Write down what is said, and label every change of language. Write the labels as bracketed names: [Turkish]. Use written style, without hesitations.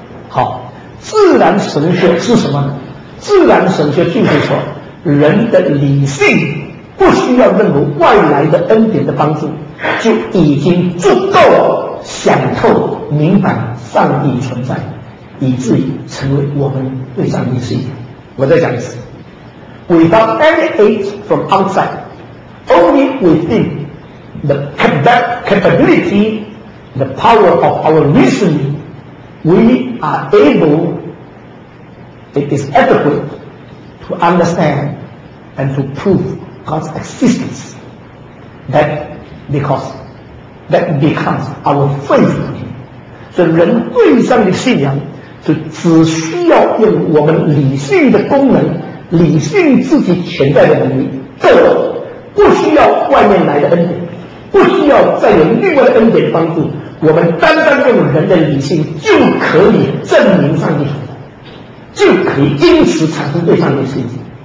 [Chinese] 好，自然神学是什么？自然神学就是说人的理性不需要任何外来的恩典的帮助，就已经足够想透明白上帝存在，以至于成为我们对上帝的信仰。我再讲一次， [English] Without any aid from outside, only within the capability, the power of our reason, we are able, it is adequate to understand and to proveGod's existence, that becomes our faith. [Chinese] 所以人对上帝的信仰是只需要用我们理性的功能，理性自己潜在的能力够了，不需要外面来的恩典，不需要再有另外的恩典帮助，我们单单用人的理性就可以证明上帝存在，就可以因此产生对上帝的信心。